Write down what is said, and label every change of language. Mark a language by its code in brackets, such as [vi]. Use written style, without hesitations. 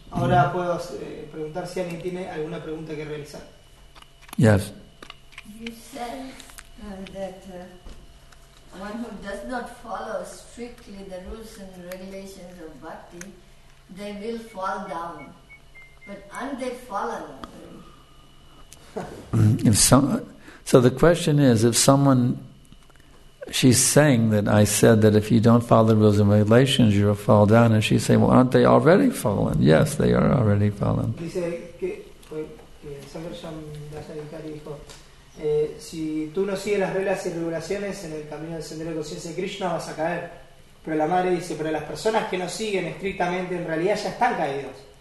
[es] Ahora puedo preguntar si alguien tiene alguna pregunta que realizar. [en] Yes. You said that one who does not follow strictly the rules and regulations of bhakti, they will fall down. But aren't they fallen? So the question is, if someone. She's saying that I said that if you don't follow the rules and regulations, you'll fall down. And she's saying, well, aren't they already fallen? Yes, they are already fallen. [es] Dice que Sankarsham Dasarikari dijo, si tú no sigues las reglas y regulaciones en el camino del sendero de conciencia de Krishna, vas a caer. Pero la madre dice, pero las personas que no siguen estrictamente, en realidad ya están caídos.